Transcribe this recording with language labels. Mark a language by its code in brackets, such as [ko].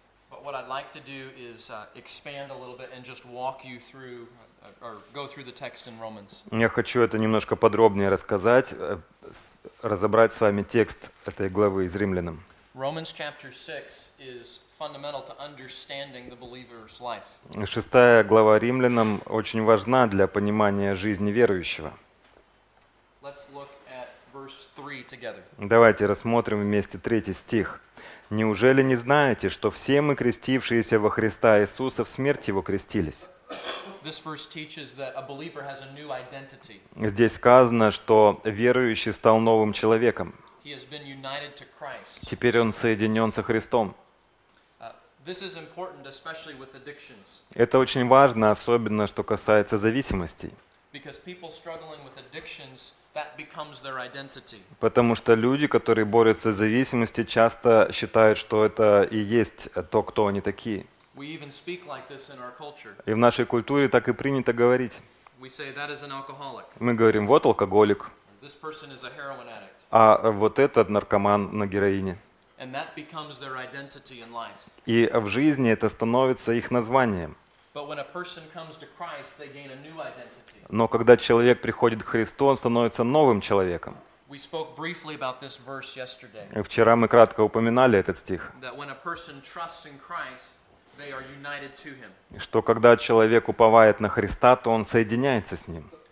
[en] But what I'd like to do is expand a little bit and just walk you through or go through the text in Romans. [ru] Я хочу это немножко подробнее рассказать, разобрать с вами текст этой главы из Римлянам. [en] Romans chapter 6 is fundamental to understanding the believer's life. [ru] Шестая глава Римлянам очень важна для понимания жизни верующего. [en] Let's look at verse 3 together. [ru] Давайте рассмотрим вместе третий стих. Неужели не знаете, что все мы, крестившиеся во Христа Иисуса, в смерть Его крестились? [en] This verse teaches that a believer has a new identity. [ru] Здесь сказано, что верующий стал новым человеком. [en] He has been united to Christ. [ru] Теперь он соединен со Христом. [en] This is important, especially with addictions. [ru] Это очень важно, особенно что касается зависимостей. [en] Because people struggling with addictions, that becomes their identity. [ru] Потому что люди, которые борются с зависимостью, часто считают, что это и есть то, кто они такие. [en] We even speak like this in our culture. [ru] И в нашей культуре так и принято говорить. [en] We say, that is an alcoholic. [ru] Мы говорим, вот алкоголик. [en] This person is a heroin addict. [ru] А вот этот наркоман на героине. [en] And that becomes their identity in life. [ru] И в жизни это становится их названием. [en] But when a person comes to Christ, they gain a new identity. [ru] Но когда человек приходит к Христу, он становится новым человеком. [en] We spoke briefly about this verse yesterday. [ru] Вчера мы кратко упоминали этот стих. [en] That when a person trusts in Christ, they are united to him. [ru] Что когда человек уповает на Христа, то он соединяется с Ним.